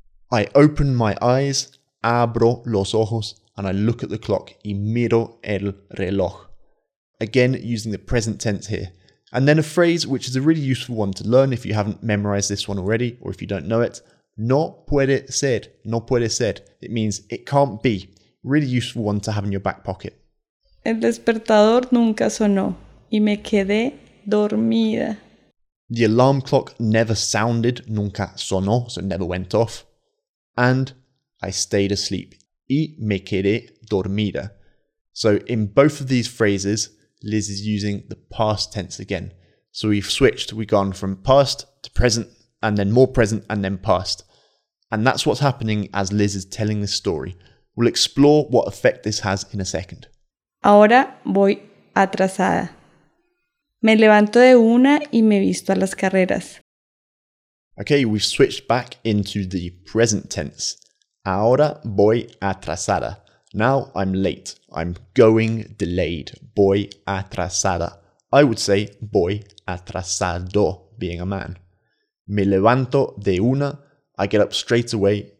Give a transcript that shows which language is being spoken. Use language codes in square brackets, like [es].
[en] I open my eyes, [es] abro los ojos, [en] and I look at the clock [es] y miro el reloj. [en] Again, using the present tense here. And then a phrase which is a really useful one to learn if you haven't memorized this one already or if you don't know it. [es] No puede ser. No puede ser. [en] It means it can't be. Really useful one to have in your back pocket. [es] El despertador nunca sonó y me quedé dormida. [en] The alarm clock never sounded. [es] Nunca sonó, [en] so never went off. And I stayed asleep. [es] Y me quedé dormida. [en] So in both of these phrases, Liz is using the past tense again. So we've switched, we've gone from past to present, and then more present, and then past. And that's what's happening as Liz is telling this story. We'll explore what effect this has in a second. [es] Ahora voy atrasada. Me levanto de una y me visto a las carreras. [en] Okay, we've switched back into the present tense. [es] Ahora voy atrasada. [en] Now I'm late. I'm going delayed. [es] Voy atrasada. [en] I would say [es] voy atrasado, [en] being a man. [es] Me levanto de una. [en] I get up straight away.